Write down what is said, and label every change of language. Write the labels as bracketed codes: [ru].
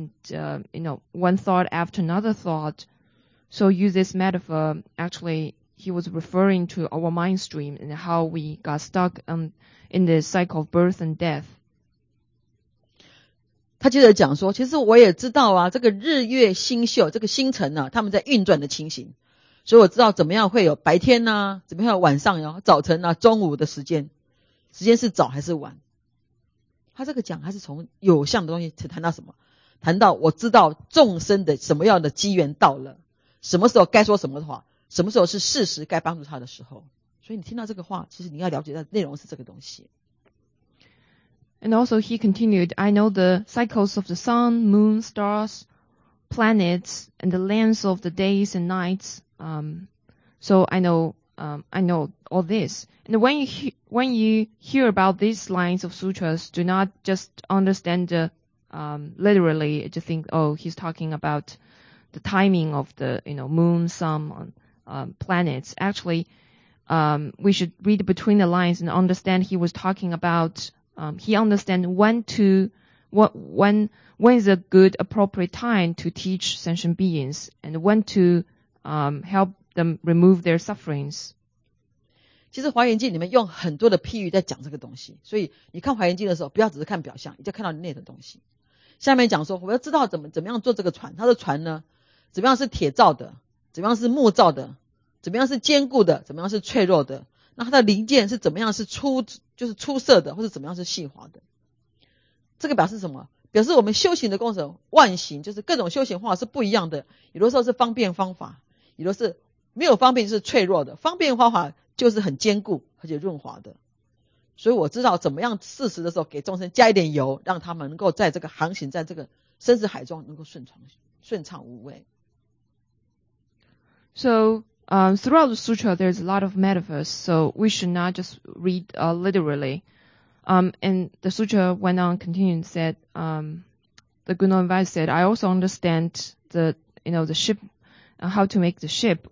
[en] One thought after another thought. So use this metaphor. Actually, he was referring to our mind stream and how we got stuck in the cycle of birth and death. [zh] 他接着讲说，其实我也知道啊，这个日月星宿，这个星辰啊，他们在运转的情形。所以我知道怎么样会有白天啊，怎么样有晚上啊，早晨啊，中午的时间，时间是早还是晚。他这个讲还是从有相的东西谈到什么，谈到我知道众生的什么样的机缘到了，什么时候该说什么话，什么时候是事实该帮助他的时候。所以你听到这个话，其实你要了解的内容是这个东西。 [en] And also he continued, I know the cycles of the sun, moon, stars, planets, and the lengths of the days and nights.So I know I know all this. And when you hear about these lines of sutras, do not just understand literally, just think, oh, he's talking about the timing of the, you know, moon, sun, planets. Actually, we should read between the lines and understand he was talking about, he understand when is a good appropriate time to teach sentient beings and when to help them remove their sufferings. [zh] 其实华严经里面用很多的譬喻在讲这个东西，所以你看华严经的时候，不要只是看表象，你就看到内的东西。下面讲说，我要知道怎么样做这个船，它的船呢，怎么样是铁造的，怎么样是木造的，怎么样是坚固的，怎么样是脆弱的，那它的零件是怎么样是出色的，或是怎么样是细滑的。这个表示什么？表示我们修行的过程，万行就是各种修行化是不一样的，有的时候是方便方法，有的是没有方便就是脆弱的，方便方法就是很坚固而且润滑的，所以我知道怎么样适时的时候给众生加一点油，让他们能够在这个航行，在这个生死海中能够顺畅无畏。 [en] So throughout the sutra there's a lot of metaphors, so we should not just read literally. And the sutra went on continuing said, the Guna advice said, I also understand the ship, how to make the ship.